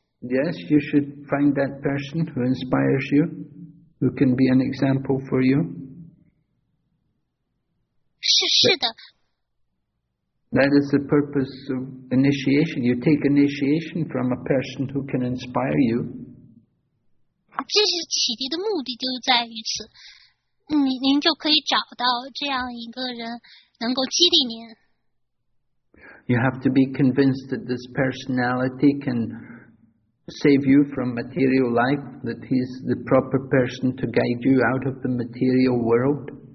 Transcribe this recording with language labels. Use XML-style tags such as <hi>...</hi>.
<en>Yes, you should find that person who inspires you, who can be an example for you.</en> <zh>是的。</zh> <en>That is the purpose of initiation. You take initiation from a person who can inspire you.</en> <zh>这是启迪的目的就在于此，您就可以找到这样一个人能够激励您。</zh> <en>You have to be convinced that this personality can save you from material life, that he's the proper person to guide you out of the material world.</en>